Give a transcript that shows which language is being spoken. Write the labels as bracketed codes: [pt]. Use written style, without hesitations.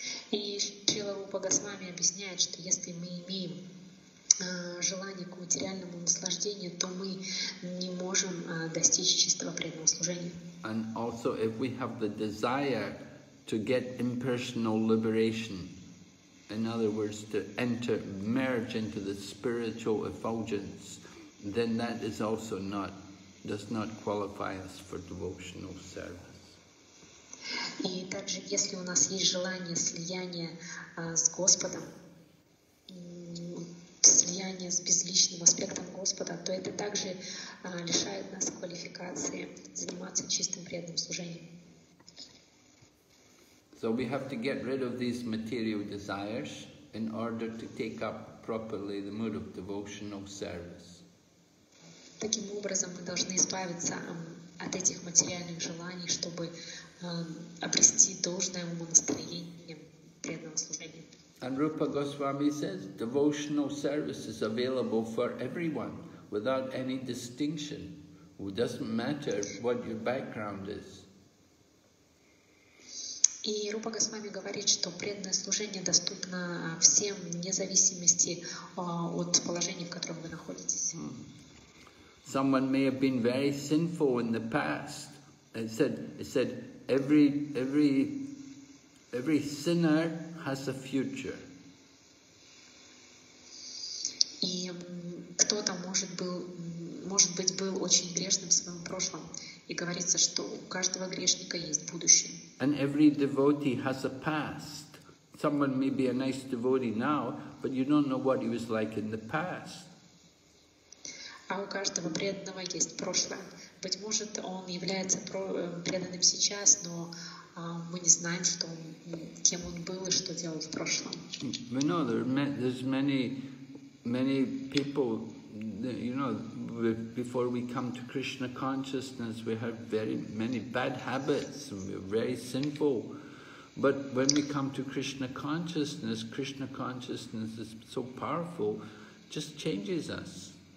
[ru] И Шрила Рупа Госвами объясняет, что если мы имеем желание к материальному наслаждению, то мы не можем достичь чистого преданного служения. [en] And also if we have the desire to get impersonal liberation, in other words, to enter, merge into the spiritual effulgence, then that is also not, does not qualify us for devotional service. [ru] И также, если у нас есть желание слияния с Господом, слияние с безличным аспектом Господа, то это также лишает нас квалификации заниматься чистым преданным служением. [en] So we have to get rid of these material desires in order to take up properly the mood of devotional service. [ru] Таким образом, мы должны избавиться от этих материальных желаний, чтобы обрести должное умонастроение преданного служения. [en] And Rupa Goswami says, devotional service is available for everyone without any distinction. It doesn't matter what your background is. [ru] И Рупа Госвами говорит, что преданное служение доступно всем, вне зависимости от положения, в котором вы находитесь. Hmm. [en] Someone may have been very sinful in the past. It said every sinner has a future. [ru] И кто-то может быть был очень грешным в своем прошлом. И говорится, что у каждого грешника есть будущее. [en] And every devotee has a past. Someone may be a nice devotee now, but you don't know what he was like in the past. [ru] А у каждого преданного есть прошлое. Быть может, он является преданным сейчас, но мы не знаем, что он, кем он был и что делал в прошлом. [en] We know there's many people. You know, before we come to Krishna consciousness, we have very many bad habits, and we're very sinful. But when we come to Krishna consciousness is so powerful, just changes us.